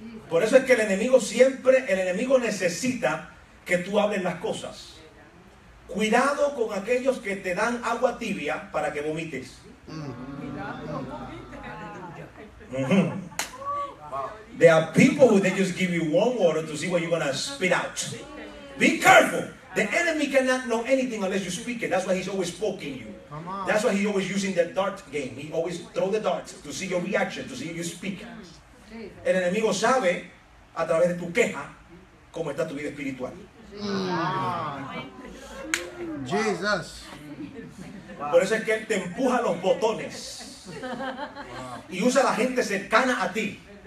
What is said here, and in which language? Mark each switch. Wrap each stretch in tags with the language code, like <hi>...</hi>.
<es>Por eso es que el enemigo siempre, el enemigo necesita que tú hables las cosas. Cuidado con aquellos que te dan agua tibia para que vomites.</es> <en>There are people who they just give you warm water to see what you're gonna spit out. Be careful. The enemy cannot know anything unless you speak it. That's why he's always poking you. That's why he's always using the dart game. He always throw the dart to see your reaction, to see if you speak.</en> <es>El enemigo sabe a través de tu queja cómo está tu vida espiritual.</es> <en>Jesus.</en> <es>Por eso es que él te empuja los botones y usa a la gente cercana a ti.</es>